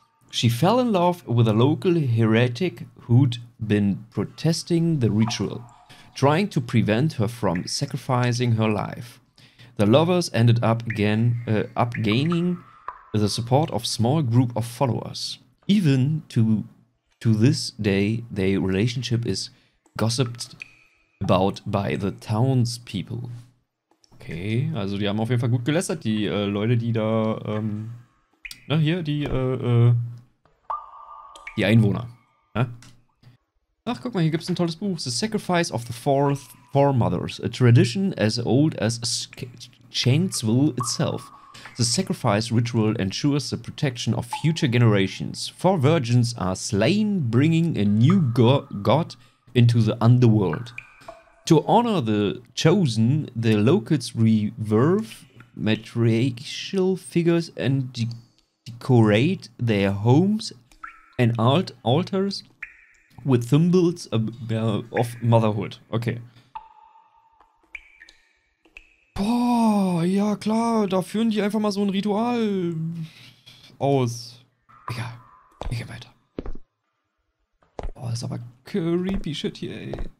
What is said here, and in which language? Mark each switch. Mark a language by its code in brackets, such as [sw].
[en] She fell in love with a local heretic who'd been protesting the ritual, trying to prevent her from sacrificing her life. The lovers ended up gaining the support of a small group of followers. Even to this day, their relationship is gossiped about by the townspeople. [de] Okay, also die haben auf jeden Fall gut gelästert, die Leute, die da, na hier, die Einwohner, ne? Ach, guck mal, hier gibt's ein tolles Buch, [en] The Sacrifice of the Four Mothers, a tradition as old as Chainsville itself. The sacrifice ritual ensures the protection of future generations. Four virgins are slain, bringing a new god into the underworld. To honor the chosen, the locals revere matriarchal figures and decorate their homes and altars with symbols of motherhood. Okay. [de] Boah, ja klar, da führen die einfach mal so ein Ritual aus. Egal, wir gehen weiter. Boah, das ist aber [en] creepy shit [de] hier, ey.